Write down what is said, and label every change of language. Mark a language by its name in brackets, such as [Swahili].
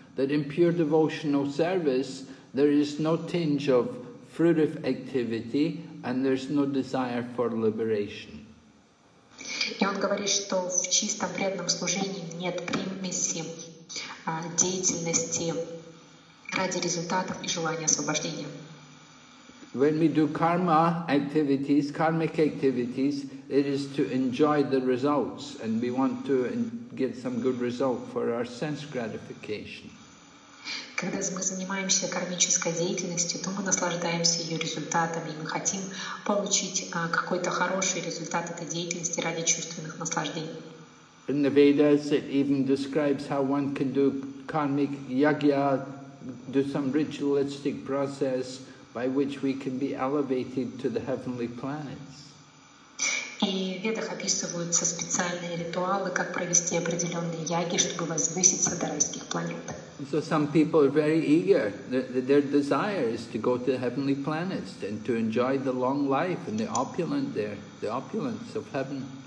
[English] that in pure devotional service there is no tinge of fruitive activity and there's no desire for liberation. [Russian] И он говорит, что в чистом преданном служении нет примеси деятельности ради результатов и желания освобождения. [English] When we do karma activities, karmic activities, it is to enjoy the results, and we want to get some good result for our sense gratification. [Russian] Когда мы занимаемся кармической деятельностью, то мы наслаждаемся ее результатами, и мы хотим получить какой-то хороший результат этой деятельности ради чувственных наслаждений. [English] In the Vedas, it even describes how one can do karmic yagya, do some ritualistic process by which we can be elevated to the heavenly planets. [Russian] И в Ведах описываются специальные ритуалы, как провести определенные яги, чтобы возвыситься до райских планет. [English] So some people are very eager. Their desire is to go to the heavenly planets and to enjoy the long life and the opulence there, the opulence of heaven.